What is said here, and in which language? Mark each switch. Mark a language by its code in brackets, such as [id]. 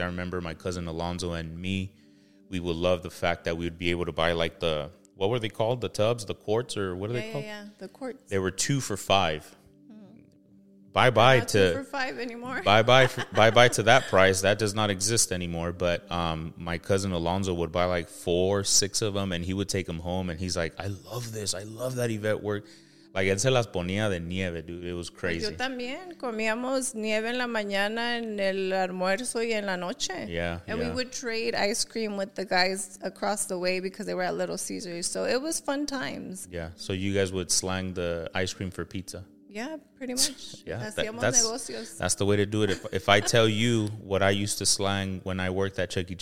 [en] I remember my cousin Alonzo and me, we would love the fact that we would be able to buy like the, what were they called? The tubs, the quarts, or what are they called? Yeah, the quarts. They were 2 for $5. Bye-bye to 2 for $5 anymore. bye-bye to that price. That does not exist anymore. But my cousin Alonzo would buy like 4, 6 of them, and he would take them home, and he's like, I love this. I love that Yvette work. [es] Like, él se las ponía de nieve, dude. [en] It was crazy. [es] Yo también. Comíamos nieve en la mañana, en el almuerzo, y en la noche. [en] Yeah, and we would trade ice cream with the guys across the way because they were at Little Caesars. So it was fun times. Yeah, so you guys would slang the ice cream for pizza. Yeah, pretty much. Yeah, that's the way to do it. If I tell you what I used to slang when I worked at Chuck E.